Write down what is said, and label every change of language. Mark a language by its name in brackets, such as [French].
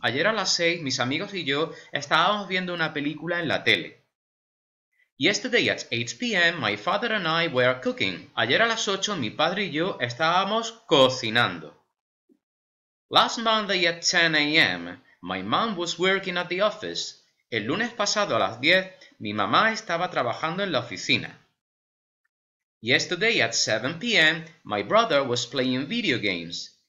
[Spanish] Ayer a las 6, mis amigos y yo estábamos viendo una película en la tele. [English] Yesterday at 8 p.m., my father and I were cooking. [Spanish] Ayer a las 8, mi padre y yo estábamos cocinando. [English] Last Monday at 10 a.m., my mom was working at the office. [Spanish] El lunes pasado a las 10, mi mamá estaba trabajando en la oficina. [English] Yesterday at 7 p.m., my brother was playing video games.